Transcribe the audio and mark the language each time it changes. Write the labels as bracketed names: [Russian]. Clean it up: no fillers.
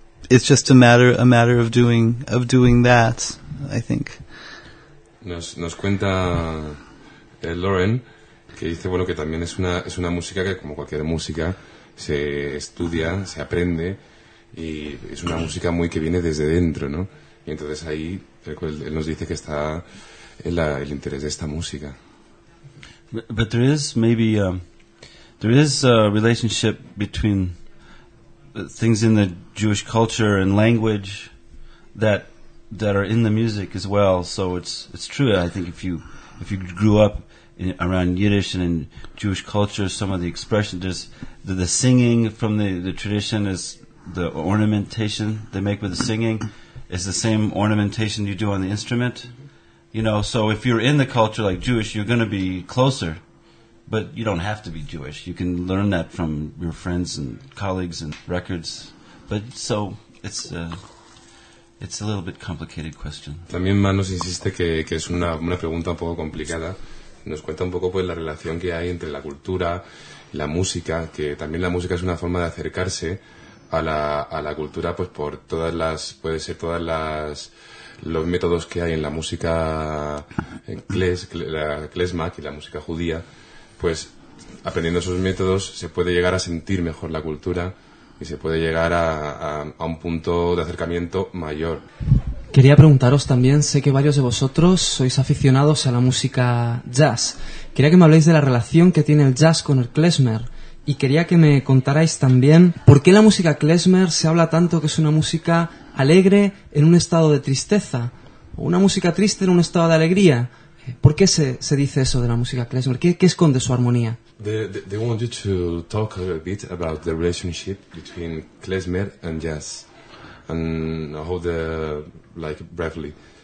[English] It's just a matter of doing that, I think. [Spanish] Nos cuenta Lauren que dice, bueno, que también es una música que, como cualquier música, se estudia, se aprende, y es una música muy que viene desde dentro, ¿no? Y entonces ahí él nos dice que está el interés de esta música. [English] But there is maybe there is a relationship between things in the Jewish culture and language that are in the music as well, so it's true. I think if you grew up around Yiddish and in Jewish culture, some of the expression, just the singing from the tradition, is the ornamentation they make with the singing is the same ornamentation you do on the instrument, so if you're in the culture like Jewish, you're going to be closer But you don't have to be Jewish. You can learn that from your friends and colleagues and records. But so it's a little bit complicated question. [Spanish] También Manos insiste que es una pregunta un poco complicada. Nos cuenta un poco pues la relación que hay entre la cultura, la música, que también la música es una forma de acercarse a la cultura, pues por todas las, puede ser todas las, los métodos que hay en la música klezma, que es la música judía, pues aprendiendo esos métodos se puede llegar a sentir mejor la cultura y se puede llegar a un punto de acercamiento mayor. Quería preguntaros también, sé que varios de vosotros sois aficionados a la música jazz. Quería que me habléis de la relación que tiene el jazz con el klezmer y quería que me contarais también por qué la música klezmer se habla tanto que es una música alegre en un estado de tristeza o una música triste en un estado de alegría. ¿Por qué se dice eso de la música klezmer? ¿Qué esconde su armonía? [English] They want you to talk a little bit about the relationship between klezmer and jazz. And how the, like, briefly.